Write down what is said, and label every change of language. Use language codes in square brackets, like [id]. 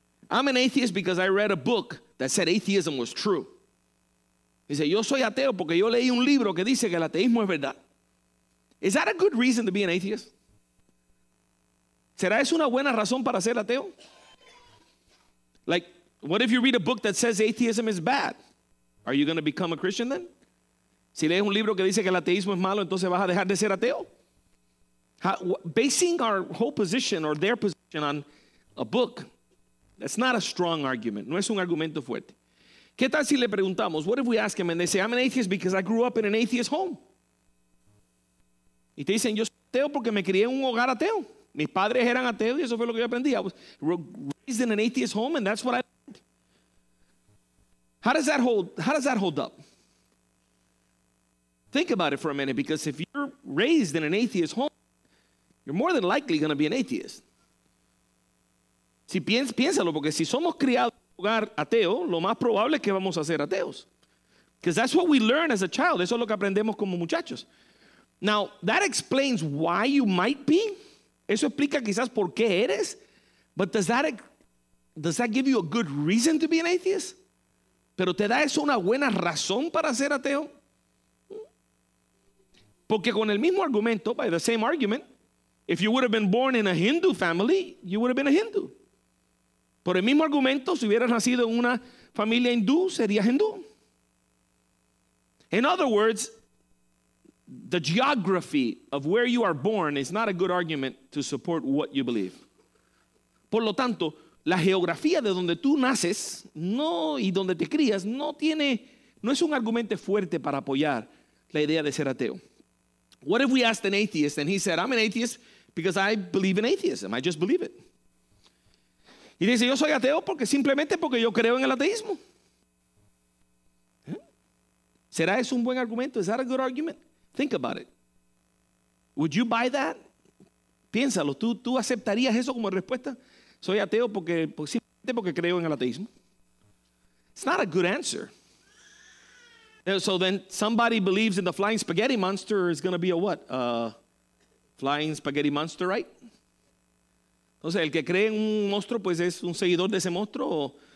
[en] I'm an atheist because I read a book that said atheism was true. [es] Dice, yo soy ateo porque yo leí un libro que dice que el ateísmo es verdad. [en] Is that a good reason to be an atheist? [es] ¿Será eso una buena razón para ser ateo? [en] Like, what if you read a book that says atheism is bad? Are you going to become a Christian then? [es] Si lees un libro que dice que el ateísmo es malo, entonces vas a dejar de ser ateo. [en] Basing our whole position or their position on a book, that's not a strong argument. [es] No es un argumento fuerte. ¿Qué tal si le preguntamos? [en] What if we ask him and they say, I'm an atheist because I grew up in an atheist home. [es] Y te dicen, yo soy ateo porque me crié en un hogar ateo. Mis padres eran ateos y eso fue lo que yo aprendí. [en] I was raised in an atheist home and that's what I learned. How does that hold up? Think about it for a minute, because if you're raised in an atheist home, you're more than likely going to be an atheist. [es] Si piénsalo, porque si somos criados en un hogar ateo, lo más probable es que vamos a ser ateos. [en] Because that's what we learn as a child. [es] Eso es lo que aprendemos como muchachos. [en] Now, that explains why you might be. [es] Eso explica quizás por qué eres. [en] But does that give you a good reason to be an atheist? [es] ¿Pero te da eso una buena razón para ser ateo? Porque con el mismo argumento, [en] by the same argument, if you would have been born in a Hindu family, you would have been a Hindu. [es] Por el mismo argumento, si hubieras nacido en una familia hindú, serías hindú. [en] In other words, the geography of where you are born is not a good argument to support what you believe. [es] Por lo tanto, la geografía de donde tú naces no, y donde te crías no, tiene, no es un argumento fuerte para apoyar la idea de ser ateo. [en] What if we asked an atheist and he said, I'm an atheist because I believe in atheism. I just believe it. [es] Y dice, yo soy ateo porque simplemente porque yo creo en el ateísmo. ¿Será eso un buen argumento? [en] Is that a good argument? Think about it. Would you buy that? [es] Piénsalo. ¿Tú aceptarías eso como respuesta? Soy ateo porque simplemente porque creo en el ateísmo. [en] It's not a good answer. So then somebody believes in the flying spaghetti monster is going to be a what? Flying spaghetti monster, right? [es] Entonces, el que cree en un monstruo, pues es un seguidor de ese monstruo.